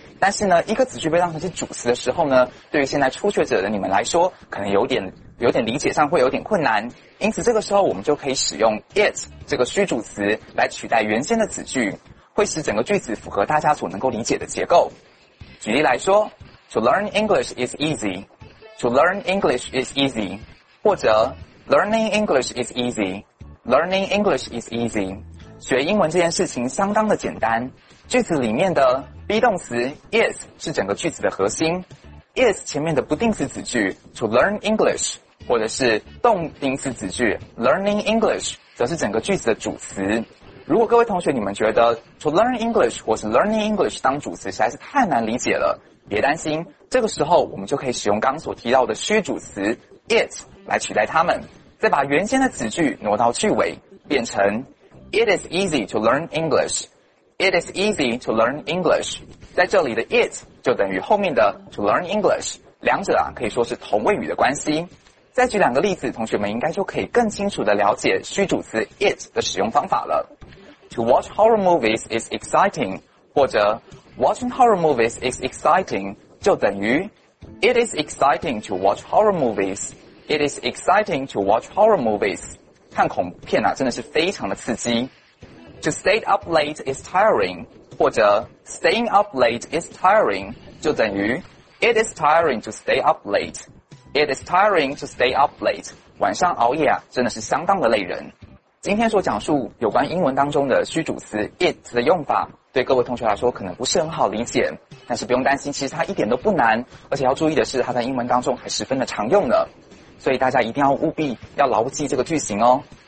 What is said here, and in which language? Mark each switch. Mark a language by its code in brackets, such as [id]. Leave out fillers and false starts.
[zh] 但是呢，一个子句被当成是主词的时候呢，对于现在初学者的你们来说，可能有点理解上会有点困难。因此，这个时候我们就可以使用 it 这个虚主词来取代原先的子句，会使整个句子符合大家所能够理解的结构。举例来说 [en] ,to learn English is easy, to learn English is easy, [zh] 或者 [en] learning English is easy, learning English is easy, [zh] 学英文这件事情相当的简单。句子里面的 be 动词 is 是整个句子的核心， is 前面的不定词子句 [en] to learn English, [zh] 或者是动定词子句 [en] learning English, [zh] 则是整个句子的主词。如果各位同学你们觉得 [en] to learn English [zh] 或是 [en] learning English [zh] 当主词实在是太难理解了，别担心，这个时候我们就可以使用刚所提到的虚主词 it 来取代它们，再把原先的子句挪到句尾，变成 [en] it is easy to learn English, [zh] it is easy to learn English, 在这里的 it 就等于后面的 to learn English, 两者啊可以说是同位语的关系。再举两个例子，同学们应该就可以更清楚地了解虚主词 it 的使用方法了。 [en] To watch horror movies is exciting, [zh] 或者 [en] watching horror movies is exciting, [zh] 就等于 [en] It is exciting to watch horror movies. It is exciting to watch horror movies. [zh] 看恐怖片啊，真的是非常的刺激。 [en] To stay up late is tiring, [zh] 或者 [en] staying up late is tiring, [zh] 就等于 [en] It is tiring to stay up late. It is tiring to stay up late. [zh] 晚上熬夜啊，真的是相当的累人。今天所讲述有关英文当中的虚主词 it 的用法，对各位同学来说可能不是很好理解，但是不用担心，其实它一点都不难，而且要注意的是它在英文当中还十分的常用呢，所以大家一定要务必要牢记这个句型哦。